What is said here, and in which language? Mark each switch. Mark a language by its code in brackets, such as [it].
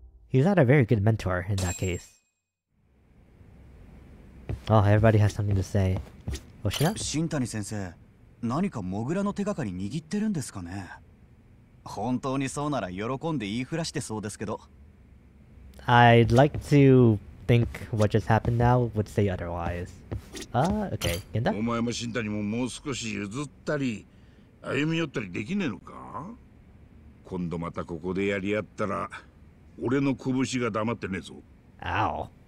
[en] He's not a very good mentor in that case. Oh, everybody has something to say. What's that? [ja] シンタニ先生、何かモグラの手がかり握ってるんですかね。本当にそうなら喜んで言いふらしてそうですけど。I'd [en] like to think what just happened now would say otherwise. Okay, Genda? [ja] お前もシンタニももう少し譲ったり歩み寄ったりできねえのか。今度またここでやり合ったら俺の拳が黙ってねえぞ。Ow.